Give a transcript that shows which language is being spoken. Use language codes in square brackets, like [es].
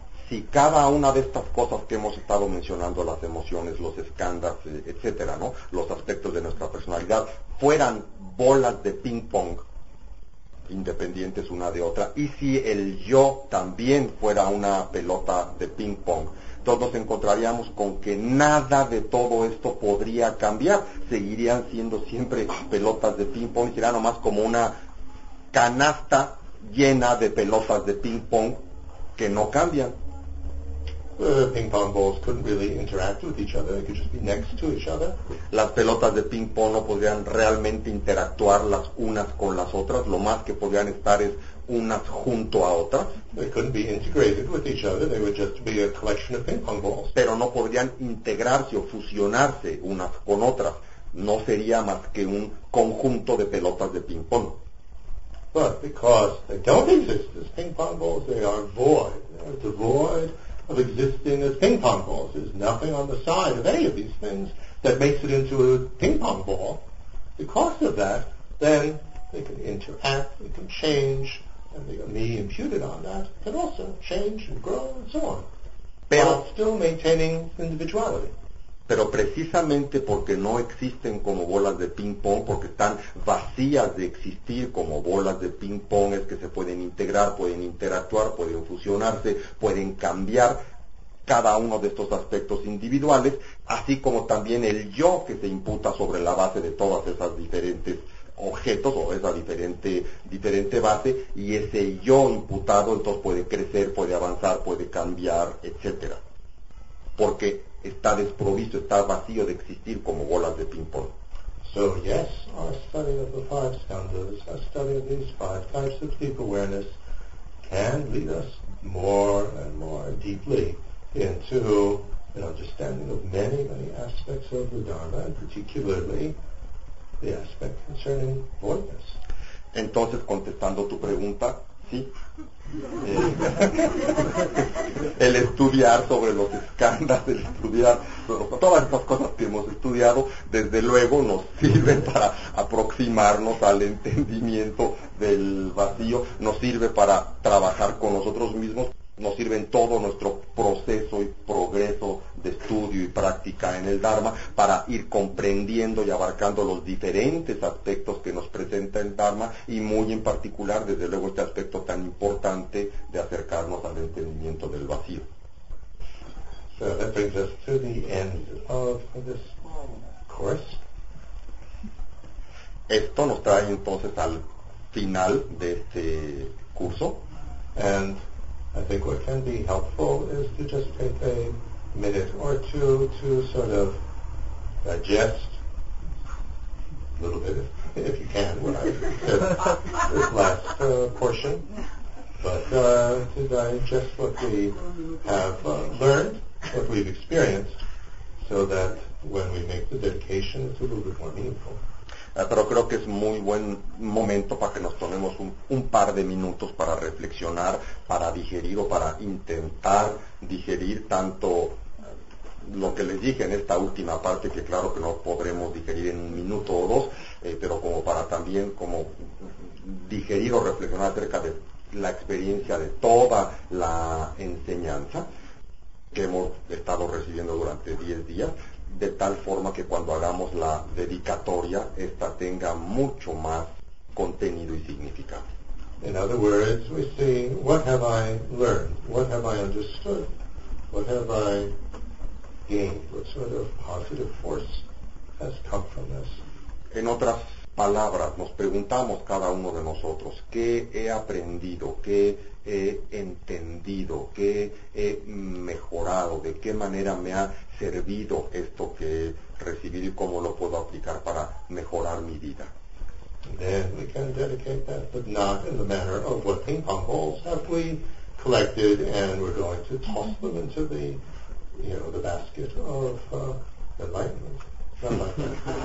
[es] Si cada una de estas cosas que hemos estado mencionando, las emociones, los escándalos, etcétera, ¿no?, los aspectos de nuestra personalidad, fueran bolas de ping pong independientes una de otra, y si el yo también fuera una pelota de ping pong, todos nos encontraríamos con que nada de todo esto podría cambiar. Seguirían siendo siempre pelotas de ping pong, será nomás como una canasta llena de pelotas de ping pong que no cambian. [en] Ping pong balls couldn't really interact with each other. They could just be next to each other. [es] Las pelotas de ping pong no podrían realmente interactuar las unas con las otras. Lo más que podrían estar es unas junto a otras. [en] They couldn't be integrated with each other. They would just be a collection of ping pong balls. [es] Pero no podrían integrarse o fusionarse unas con otras. No sería más que un conjunto de pelotas de ping pong. [en] But because they don't exist as ping pong balls, they are void. They're devoid of existing as ping pong balls. There's nothing on the side of any of these things that makes it into a ping pong ball. Because of that, then they can interact, they can change, and the me imputed on that can also change and grow and so on. [es] Pero, [en] while still maintaining individuality. [es] Pero precisamente porque no existen como bolas de ping pong, porque están vacías de existir como bolas de ping pong, es que se pueden integrar, pueden interactuar, pueden fusionarse, pueden cambiar cada uno de estos aspectos individuales, así como también el yo que se imputa sobre la base de todas esas diferentes objetos o esa diferente base, y ese yo imputado entonces puede crecer, puede avanzar, puede cambiar, etcétera, porque está desprovisto, está vacío de existir como bolas de ping pong. [en] So yes, our study of the five skandhas, our study of these five types of deep awareness can lead us more and more deeply into an understanding of many, many aspects of the Dharma, and particularly the aspect concerning voidness. [es] Entonces, contestando tu pregunta, sí. El estudiar sobre los escandas, el estudiar todas esas cosas que hemos estudiado, desde luego nos sirven para aproximarnos al entendimiento del vacío, nos sirve para trabajar con nosotros mismos, nos sirve en todo nuestro proceso y progreso de estudio y práctica en el Dharma para ir comprendiendo y abarcando los diferentes aspectos que nos presenta el Dharma, y muy en particular, desde luego, este aspecto tan importante de acercarnos al entendimiento del vacío. [en] So that brings us to the end of this course. [es] Esto nos trae entonces al final de este curso. [en] And I think what can be helpful is to just take a minute or two to sort of digest a little bit, if you can, what I said this last portion, but to digest what we have learned, what we've experienced, so that when we make the dedication, it's a little bit more meaningful. [es] Pero creo que es muy buen momento para que nos tomemos un par de minutos para reflexionar, para digerir o para intentar digerir tanto lo que les dije en esta última parte, que claro que no podremos digerir en un minuto o dos, pero como para también como digerir o reflexionar acerca de la experiencia de toda la enseñanza que hemos estado recibiendo durante 10 días, de tal forma que cuando hagamos la dedicatoria, esta tenga mucho más contenido y significado. [en] In other words, we see, what have I learned? What have I understood? What have I gained? What sort of positive force has come from this? [es] En otras palabras, nos preguntamos cada uno de nosotros, ¿qué he aprendido? ¿Qué he entendido? ¿Qué he mejorado? ¿De qué manera me ha servido esto que he recibido y cómo lo puedo aplicar para mejorar mi vida? [en] Then we can dedicate that, but not in the manner of what ping pong balls have we collected and we're going to toss them into the, you know, the basket of enlightenment.